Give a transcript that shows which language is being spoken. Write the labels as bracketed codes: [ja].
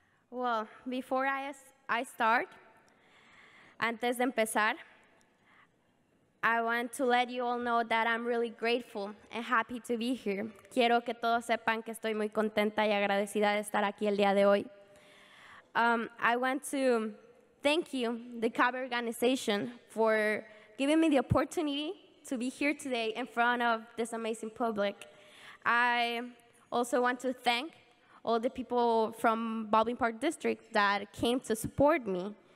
[en] Well, before I start, [es] antes de empezar, [en] I want to let you all know that I'm really grateful and happy to be here. [es] Quiero que todos sepan que estoy muy contenta y agradecida de estar aquí el día de hoy. [en] I want to thank you, the CABE organization, for giving me the opportunity to be here today in front of this amazing public. I also want to thank all the people from Baldwin Park District that came to support me.